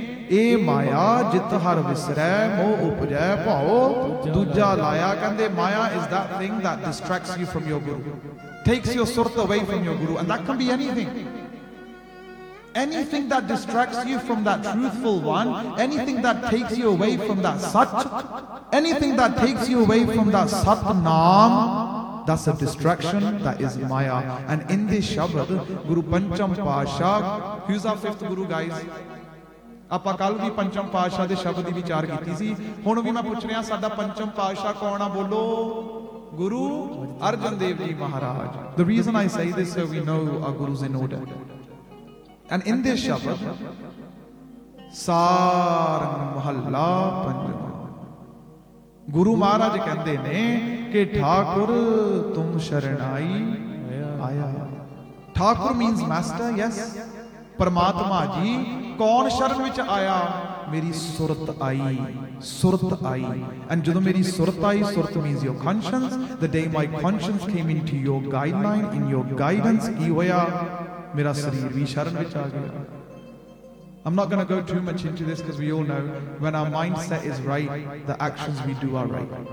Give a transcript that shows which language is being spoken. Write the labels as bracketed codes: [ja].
[pa] ਇਹ ਮਾਇਆ ਜਿੱਤ ਹਰ ਵਿਸਰੈ ਮੋਹ ਉਪਜੈ ਭਾਉ ਦੂਜਾ ਲਾਇਆ ਕਹਿੰਦੇ [en] Maya is that thing that distracts you from your guru takes your surat away from your guru and that can be anything anything that distracts you from that truthful one anything that takes you away from that sach anything that takes you away from that Sat Naam That's a distraction, that is Maya. And in this Shabad, Guru Pancham Paashah, who's our fifth Guru guys? [pa] ਆਪਾਂ ਕੱਲ ਵੀ ਪੰਚਮ ਪਾਤਸ਼ਾਹ ਦੇ ਸ਼ਬਦ ਦੀ ਵਿਚਾਰ ਕੀਤੀ ਸੀ ਹੁਣ ਵੀ ਮੈਂ ਪੁੱਛ ਰਿਹਾ ਸਾਡਾ ਪੰਚਮ ਪਾਤਸ਼ਾਹ ਕੌਣ ਆ ਬੋਲੋ ਗੁਰੂ ਅਰਜਨ ਦੇਵ ਜੀ ਮਹਾਰਾਜ [en] the reason I say this we know are gurus in order and in this [pa] ਸ਼ਬਦ ਸਾਰੰਗ ਮਹੱਲਾ ਪੰਜਵਾਂ ਗੁਰੂ ਮਹਾਰਾਜ ਕਹਿੰਦੇ ਨੇ ਕਿ ਠਾਕੁਰ ਤੁਮ ਸ਼ਰਨਾਈ ਆਇਆ। ਠਾਕੁਰ [en] means master, yes [pa] ਪਰਮਾਤਮਾ ਜੀ। ਕੌਣ ਸ਼ਰਨ ਵਿੱਚ ਆਇਆ? ਮੇਰੀ ਸੁਰਤ ਆਈ, ਸੁਰਤ ਆਈ। ਐਂਡ ਜਦੋਂ ਮੇਰੀ ਸੁਰਤ ਆਈ, [en] surat means your conscience, the day my conscience came in to your guideline, in your guidance, [pa] ਕੀ ਹੋਇਆ? ਮੇਰਾ ਸਰੀਰ ਵੀ ਸ਼ਰਨ ਵਿੱਚ ਆ ਗਿਆ। [en] I'm not going to go too much into this because we all know when our mindset is right, the actions we do are right.